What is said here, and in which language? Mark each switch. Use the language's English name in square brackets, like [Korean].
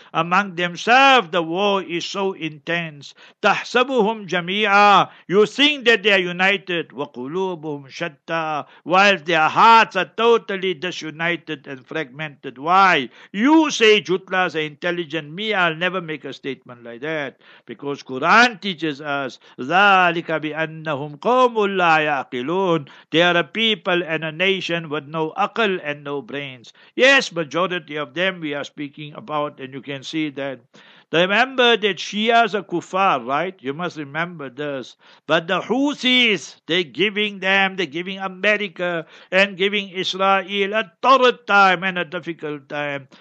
[English] Among themselves, the war is so intense. [Arabic] Tahsabuhum jami'a. [English] You think that they are united. [Arabic] Wa qulubuhum shatta. [English] While their hearts are totally disunited and fragmented. Why? You say Jutlas are intelligent. Me, I'll never make a statement like that. Because Quran teaches us, [Arabic] ذَلِكَ بِأَنَّهُمْ قَوْمُ لَا يَعْقِلُونَ. [English] They are a people and a nation with no akal and no brains. Yes, majority of them we are speaking about, and you can see that. Remember that Shias are kuffar, right? You must remember this. But the Houthis, they're giving America and giving Israel a torrid time and a difficult time.